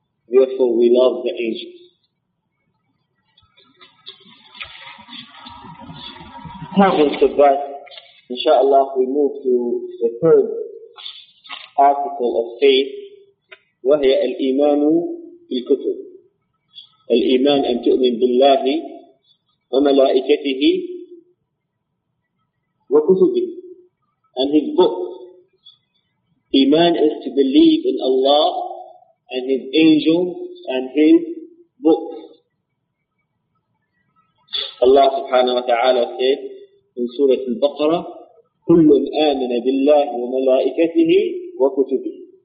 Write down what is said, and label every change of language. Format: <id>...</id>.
<en>Therefore we love the angels. Having said that, inshaAllah we move to the third article of faith,</en> <ar>وهي الإيمان بالكتب. الإيمان أن تؤمن بالله وملائكته وكتبه</ar> <en>and his book. Iman is to believe in Allah and his angels and his book. Allah subhanahu wa ta'ala said in Surah Al-Baqarah,</en> <ar>كُلٌّ آمَنَ بِاللَّهِ وَمَلَائِكَتِهِ وَكُتُبِهِ.</ar>